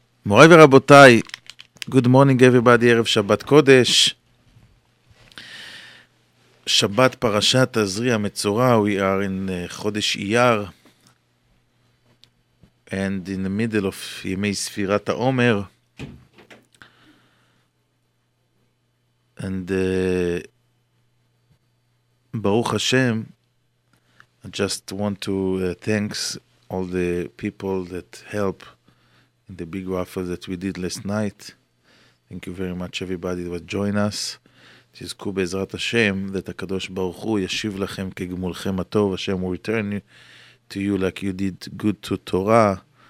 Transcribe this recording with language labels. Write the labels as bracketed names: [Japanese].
[Hebrew] מוריי ורבותיי, good morning everybody, ערב שבת קודש. [English] שבת פרשת תזריע-מצורה, we are in חודש אייר, and in the middle of ימי ספירת העומר. And ברוך השם, I just want to thanks all the people that help in the big raffle that we did last night. Thank you very much everybody that join us. [Hebrew] תזכו בעזרת השם that הקדוש ברוך הוא ישיב לכם כגמולכם הטוב, השם will return to you like you did good to Torah.